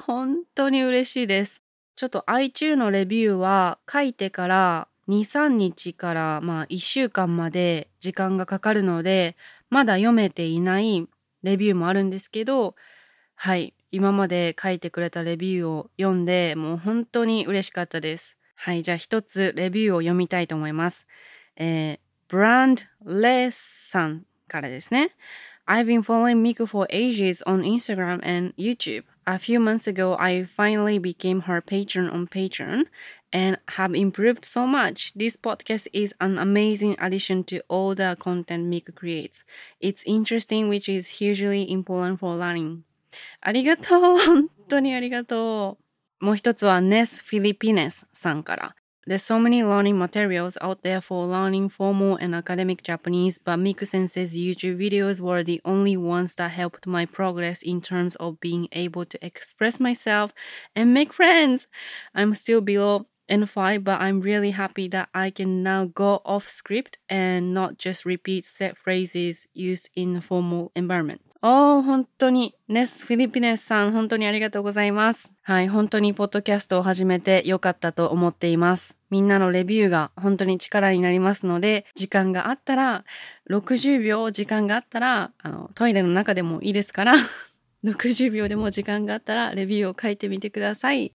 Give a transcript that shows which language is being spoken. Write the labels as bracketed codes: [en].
[ja] 本当に嬉しいです。ちょっと iTunes のレビューは書いてから2、3日からまあ1週間まで時間がかかるので、まだ読めていないレビューもあるんですけど、はい、今まで書いてくれたレビューを読んで、もう本当に嬉しかったです。はい、じゃあ一つレビューを読みたいと思います。ブランドレスさんからですね。 [en] I've been following Miku for ages on Instagram and YouTube. A few months ago, I finally became her patron on Patreon and have improved so much. This podcast is an amazing addition to all the content Miku creates. It's interesting, which is hugely important for learning. [ja] ありがとう。本当にありがとう。もう一つはネス・フィリピネスさんから。 [en] There's so many learning materials out there for learning formal and academic Japanese, but Miku Sensei's YouTube videos were the only ones that helped my progress in terms of being able to express myself and make friends. I'm still below N5, but I'm really happy that I can now go off script and not just repeat set phrases used in a formal environment. [ja] おー、本当に、ネス・フィリピネスさん、本当にありがとうございます。はい、本当にポッドキャストを始めてよかったと思っています。みんなのレビューが本当に力になりますので、時間があったら、60秒時間があったら、トイレの中でもいいですから、60秒でも時間があったら、レビューを書いてみてください。